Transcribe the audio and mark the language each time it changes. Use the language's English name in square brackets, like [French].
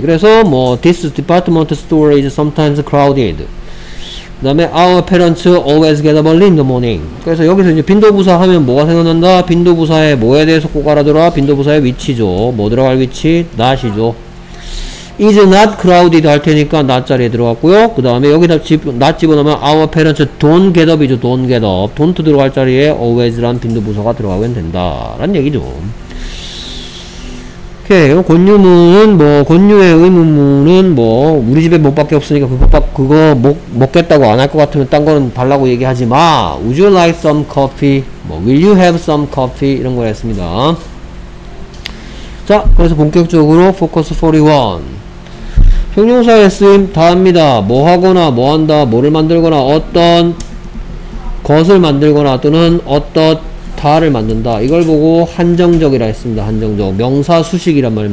[English] 그래서 뭐 this department store is sometimes crowded. 그 다음에 our parents always get up early in the morning. [Korean] 그래서 여기서 이제 빈도부사 하면 뭐가 생각난다? 빈도부사에 뭐에 대해서 꼭 알아들어? 빈도부사의 위치죠. 뭐 들어갈 위치? not이죠. is not crowded 할 테니까 not 자리에 들어갔고요. 그 다음에 여기다 not 집어넣으면 [English] our parents don't get up [Korean] 이죠. [English] don't get up. [Korean] don't 들어갈 자리에 always란 빈도부사가 들어가면 된다 라는 얘기죠. 오케이. 권유문은 뭐 권유의 의문문은 뭐 우리 집에 목밖에 없으니까 그거 먹겠다고 안 할 것 같으면 딴 거는 달라고 얘기하지 마. [English] Would you like some coffee? 뭐 Will you have some coffee? [Korean] 이런 걸 했습니다. 자, 그래서 본격적으로 Focus 41. 형용사의 쓰임 다합니다. 뭐 하거나 뭐 한다, 뭐를 만들거나 어떤 것을 만들거나 또는 어떤 다를 만든다. 이걸 보고 한정적이라 했습니다. 한정적. 명사 수식이란 말이에요.